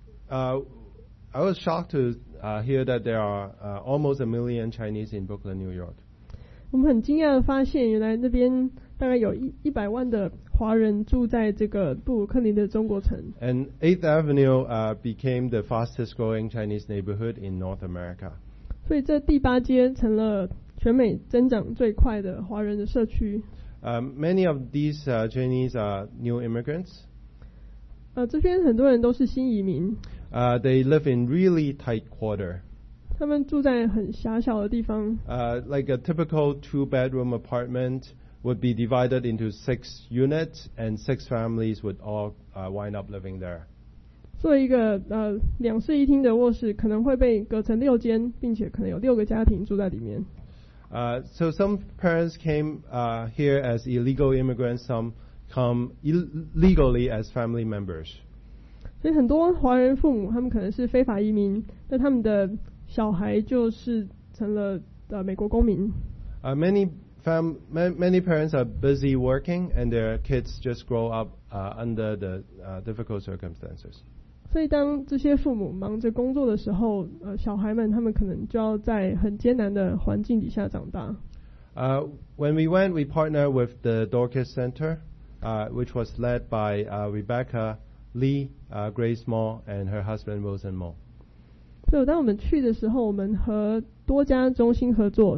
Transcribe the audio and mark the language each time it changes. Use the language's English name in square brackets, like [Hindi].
[English] I was shocked to hear that there are almost a million Chinese in Brooklyn, New York. [Chinese] 我们很惊讶的发现，原来那边大概有100万的华人住在这个布鲁克林的中国城。 [English] And 8th Avenue became the fastest growing Chinese neighborhood in North America. [Chinese] 所以这第八街成了全美增长最快的华人的社区。 [English] Many of these Chinese are new immigrants. [Chinese] 这边很多人都是新移民。 [English] They live in really tight quarter. [Chinese] 他们住在很狭小的地方。 [English] Like a typical two bedroom apartment. Would be divided into six units, and six families would all wind up living there. [Chinese] 做一个两室一厅的卧室，可能会被隔成六间，并且可能有六个家庭住在里面。 [English] So some parents came here as illegal immigrants. Some come illegally as family members. [Chinese] 所以很多华人父母他们可能是非法移民，但他们的小孩就是成了美国公民。 [English] Many parents are busy working, and their kids just grow up under the difficult circumstances. [Chinese] 所以当这些父母忙着工作的时候，小孩们他们可能就要在很艰难的环境底下长大。 [English] When we went, we partnered with the Dorcas Center, which was led by Rebecca Lee, Grace Moore, and her husband Wilson Moore. [Chinese] 所以当我们去的时候，我们和多家中心合作。